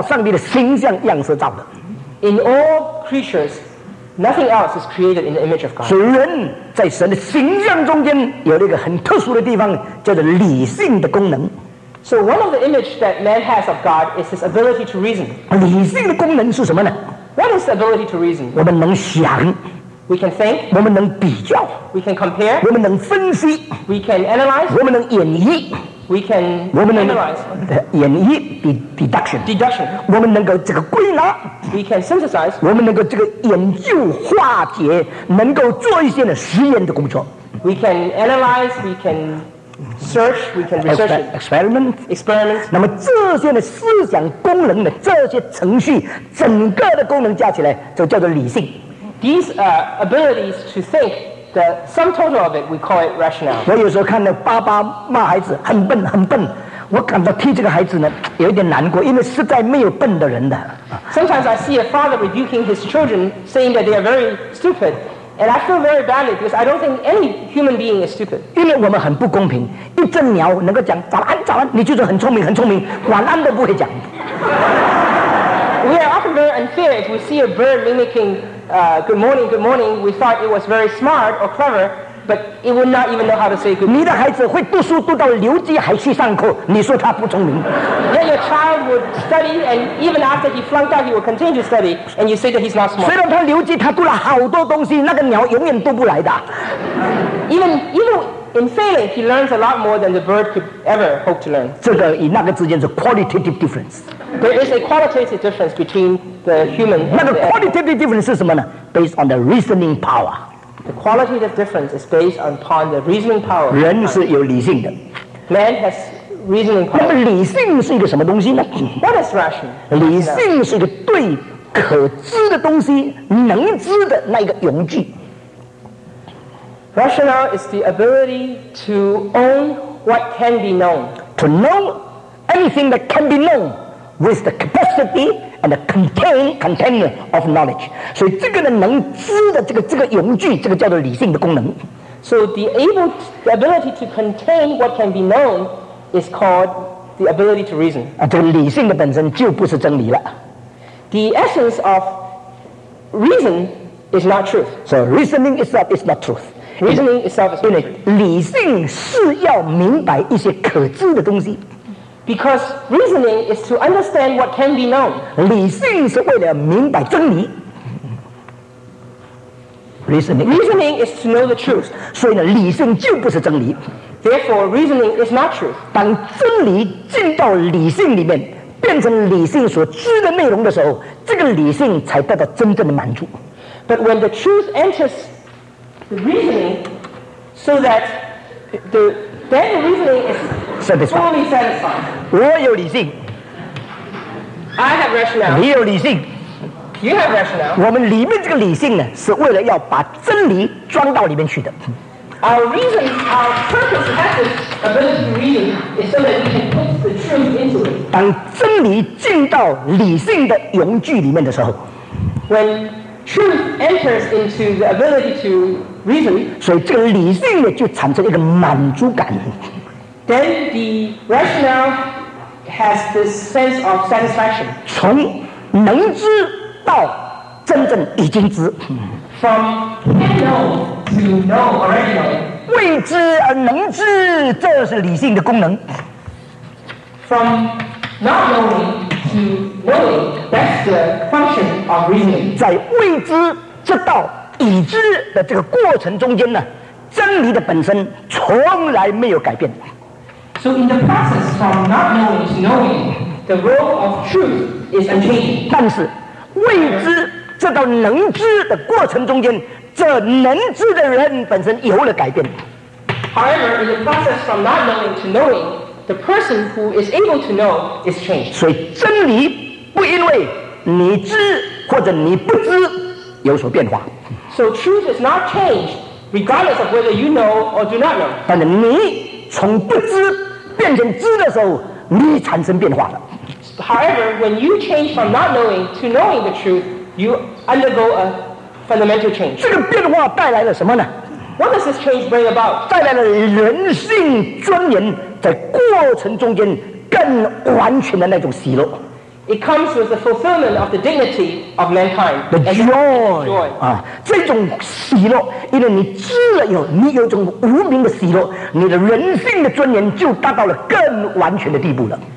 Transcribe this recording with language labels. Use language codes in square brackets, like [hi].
[zh] 所有的万物没有一样是按照上帝的形象样式造的。 [en] In all creatures, nothing else is created in the image of God. [zh] 所以人在神的形象中间有一个很特殊的地方，叫做理性的功能。 [en] So one of the image that man has of God is his ability to reason. [zh] 理性的功能是什么呢？ [en] What is the ability to reason? [zh] 我们能想。 [en] We can think. [zh] 我们能比较, [en] we can compare. [zh] 我们能分析, [en] we can analyze. [zh] 我们能演绎, [en] we can [zh] 我们能, [en] analyze. [zh] 演绎, deduction. [en] Deduction. [zh] 我们能够这个归纳, [en] we can synthesize. [zh] 我们能够这个研究化解, 能够做一些实验的工作。 [en] We can analyze, we can Search, we can research it. Experiment. Experiment. [zh] 那么这些的思想功能的这些程序，整个的功能加起来就叫做理性。 [en] These abilities to think, the sum total of it, we call it rational. [zh] 我有时候看到爸爸骂孩子很笨很笨，我感到替这个孩子呢有点难过，因为实在没有笨的人的。 [en] Sometimes I see a father rebuking his children, saying that they are very stupid. And I feel very badly because I don't think any human being is stupid. [zh] 因为我们很不公平，一只鸟能够讲早安早安，你就是很聪明很聪明，晚安都不会讲。 [en] We are often very unfair if we see a bird mimicking, good morning, good morning. We thought it was very smart or clever, but it would not even know how to say good morning. [zh] 你的孩子会读书读到留级还去上课，你说他不聪明？ [en] Yet your child would study, and even after he flunked out, he would continue to study, and you say that he's not smart. [zh] 虽然他留级，他读了好多东西，那个鸟永远读不来的。 [en] Even in failing, he learns a lot more than the bird could ever hope to learn. [zh] 这个与那个之间是 qualitative difference. [en] There is a qualitative difference between the human. [zh] 那个 [en] qualitative difference [zh] 是什么呢？ [en] Based on the reasoning power. The qualitative difference is based upon the reasoning power. [zh] 人是有理性的。 [en] Man has. Reasoning power. [zh] 那么理性是一个什么东西呢 [en] ？What is rational? [zh] 理性是一个对可知的东西、能知的那一个容具。 [en] Rational is the ability to own what can be known. To know anything that can be known with the capacity and the container of knowledge. [zh] 所以这个呢，能知的这个容具，这个叫做理性的功能。 [en] So the ability to contain what can be known. Is called the ability to reason. [zh] 啊，这个理性的本身就不是真理了。 [en] The essence of reason is not truth. So reasoning itself is not truth. Reasoning itself is not truth. [zh] 理性是要明白一些可知的东西。 [en] Because reasoning is to understand what can be known. [zh] 理性是为了明白真理。 [en] Reasoning is to know the truth. [zh] 所以呢，理性就不是真理。 [en] Therefore, reasoning is not truth. [zh] 当真理进到理性里面，变成理性所知的内容的时候，这个理性才得到真正的满足。 [en] But when the truth enters the reasoning, so that the reasoning is satisfied. Fully satisfied. [zh] 我有理性。 [en] I have rationale. [zh] 你有理性。 [en] You have rationale. [zh] 我们里面这个理性呢，是为了要把真理装到里面去的。 [en] Our reason, our purpose, that is ability to reason, is so that we can put the truth into it. [zh] 当真理进到理性的容具里面的时候 [en] ，When truth enters into the ability to reason, [zh] 所以这个理性呢就产生一个满足感。 [en] Then the rationale has this sense of satisfaction. [zh] 从能知到真正已经知。 [en] From can know to know already know. [zh] 未知而能知，这是理性的功能。 [en] From not knowing to knowing, that's the function of reasoning. [zh] 在未知直到已知的这个过程中间呢，真理的本身从来没有改变。 [en] So in the process from not knowing to knowing, the role of truth is unchanged. [zh] 但是未知。这到能知的过程中间，这能知的人本身有了改变。 [en] However, in the process from not knowing to knowing, the person who is able to know is changed. [zh] 所以真理不因为你知或者你不知有所变化。 [en] So truth is not changed regardless of whether you know or do not know. [zh] 但是你从不知变成知的时候，你产生变化了。 [en] However, when you change from not knowing to knowing the truth. You undergo a fundamental change. [zh] 这个变化带来了什么呢 [en] ？What does this change bring about? [zh] 带来了人性尊严在过程中间更完全的那种喜乐。 [en] It comes with the fulfillment of the dignity of mankind. The joy. [zh] 啊，这种喜乐，因为你知了以后，你有种无名的喜乐，你的人性的尊严就达到了更完全的地步了。